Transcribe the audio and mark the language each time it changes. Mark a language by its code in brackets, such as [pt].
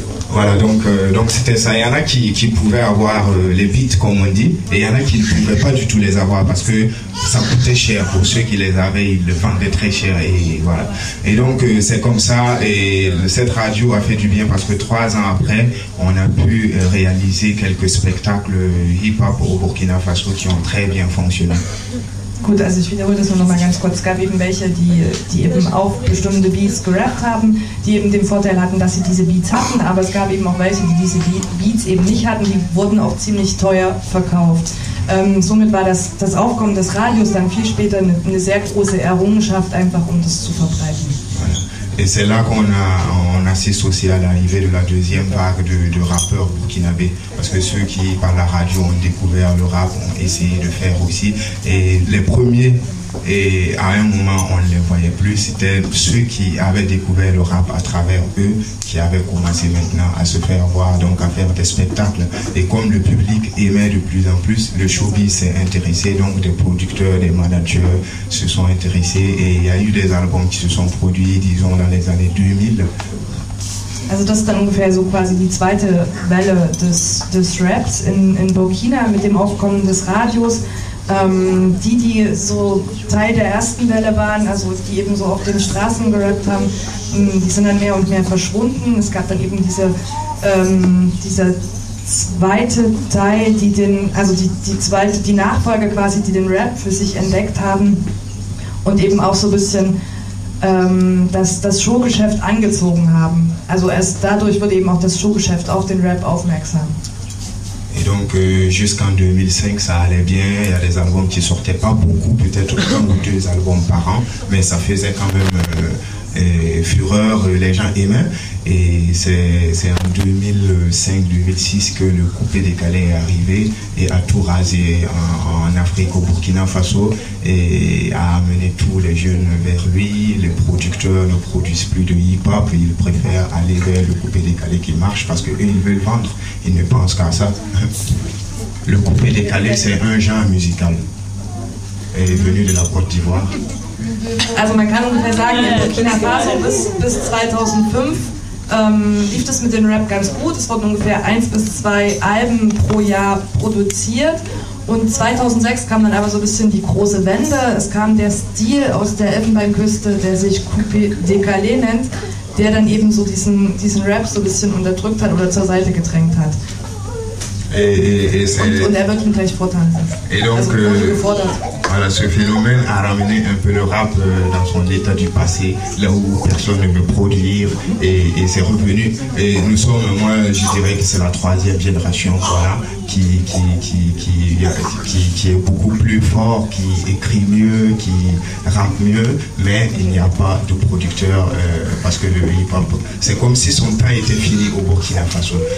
[fr] Voilà, donc c'était ça. Il y en a qui pouvaient avoir les beats, comme on dit, et il y en a qui ne pouvaient pas du tout les avoir parce que ça coûtait cher. Pour ceux qui les avaient, ils le vendaient très cher, et voilà. Et donc c'est comme ça, et cette radio a fait du bien parce que 3 ans après, on a pu réaliser quelques spectacles hip-hop au Burkina Faso qui ont très bien fonctionné. [de] Gut, also ich wiederhole das nur noch mal ganz kurz. Es gab eben welche, die eben auf bestimmte Beats gerappt haben, die eben den Vorteil hatten, dass sie diese Beats hatten, aber es gab eben auch welche, die diese Beats eben nicht hatten, die wurden auch ziemlich teuer verkauft. Somit war das Aufkommen des Radios dann viel später eine sehr große Errungenschaft, einfach um das zu verbreiten. [fr] Et c'est là qu'on assiste aussi à l'arrivée de la deuxième vague de rappeurs burkinabé. Parce que ceux qui, par la radio, ont découvert le rap, ont essayé de faire aussi. Et les premiers, et à un moment, on ne les voyait plus. C'était ceux qui avaient découvert le rap à travers eux qui avaient commencé maintenant à se faire voir, donc à faire des spectacles. Et comme le public aimait de plus en plus, le showbiz s'est intéressé. Donc des producteurs, des managers se sont intéressés. Et il y a eu des albums qui se sont produits, disons, dans les années 2000. [de] Also das ist dann ungefähr so quasi die zweite Welle des Raps in Burkina mit dem Aufkommen des Radios. Die so Teil der ersten Welle waren, also die eben so auf den Straßen gerappt haben, die sind dann mehr und mehr verschwunden. Es gab dann eben dieser zweite Teil, die Nachfolge quasi, die den Rap für sich entdeckt haben und eben auch so ein bisschen das Showgeschäft angezogen haben. Also erst dadurch wurde eben auch das Showgeschäft auf den Rap aufmerksam. [fr] donc jusqu'en 2005 ça allait bien, il y a des albums qui sortaient pas beaucoup, peut-être un ou deux albums par an, mais ça faisait quand même fureur, les gens aimaient. Et c'est en 2005-2006 que le coupé décalé est arrivé et a tout rasé en Afrique, au Burkina Faso, et a amené tous les jeunes vers lui. Les producteurs ne produisent plus de hip-hop, ils préfèrent aller vers le coupé décalé qui marche parce qu'eux, ils veulent vendre, ils ne pensent qu'à ça. Le coupé décalé, c'est un genre musical. Elle est venue de la Côte d'Ivoire. [de] Also man kann ungefähr sagen, in Burkina Faso bis 2005 lief das mit dem Rap ganz gut. Es wurden ungefähr 1 bis 2 Alben pro Jahr produziert. Und 2006 kam dann aber so ein bisschen die große Wende. Es kam der Stil aus der Elfenbeinküste, der sich Coupé Décalé nennt, der dann eben so diesen Rap so ein bisschen unterdrückt hat oder zur Seite gedrängt hat. [fr] Et donc, voilà, ce phénomène a ramené un peu le rap dans son état du passé, là où personne ne veut produire, et c'est revenu. Et nous sommes, moi, je dirais que c'est la troisième génération, voilà, qui est beaucoup plus fort, qui écrit mieux, qui rappe mieux, mais il n'y a pas de producteur parce que le hip-hop, c'est comme si son temps était fini au Burkina Faso.